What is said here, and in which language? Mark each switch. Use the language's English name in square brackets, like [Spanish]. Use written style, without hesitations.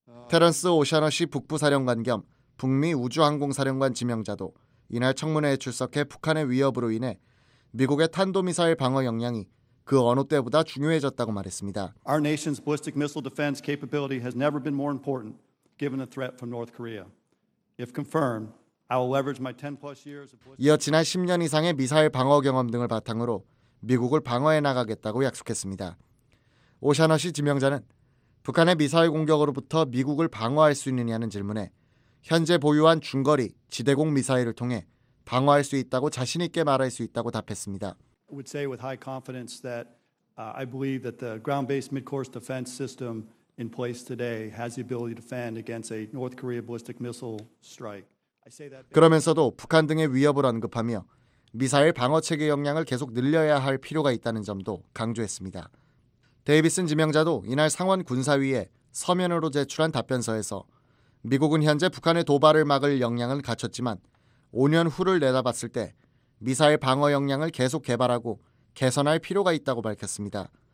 [Korean] 테런스 오셔너시 북부사령관 겸 북미 우주항공사령관 지명자도 이날 청문회에 출석해 북한의 위협으로 인해 미국의 탄도미사일 방어 역량이 그 어느 때보다 중요해졌다고 말했습니다. [English] Our nation's ballistic missile defense capability has never been more important given the threat from North Korea. If confirmed, I will leverage my 10+ years of... [Korean] 이어 지난 10년 이상의 미사일 방어 경험 등을 바탕으로 미국을 방어해 나가겠다고 약속했습니다. 오셔너시 지명자는 북한의 미사일 공격으로부터 미국을 방어할 수 있느냐는 질문에 현재 보유한 중거리 지대공 미사일을 통해 방어할 수 있다고 자신 있게 말할 수 있다고 답했습니다. I would say with high confidence that I believe that the ground-based mid-course defense system in place today has the ability to defend against a North Korea ballistic missile strike. 그러면서도 북한 등의 위협을 언급하며 미사일 방어체계 역량을 계속 늘려야 할 필요가 있다는 점도 강조했습니다. 데이비슨 지명자도 이날 상원 군사위에 서면으로 제출한 답변서에서 미국은 현재 북한의 도발을 막을 역량을 갖췄지만 5년 후를 내다봤을 때 미사일 방어 역량을 계속 개발하고 개선할 필요가 있다고 밝혔습니다.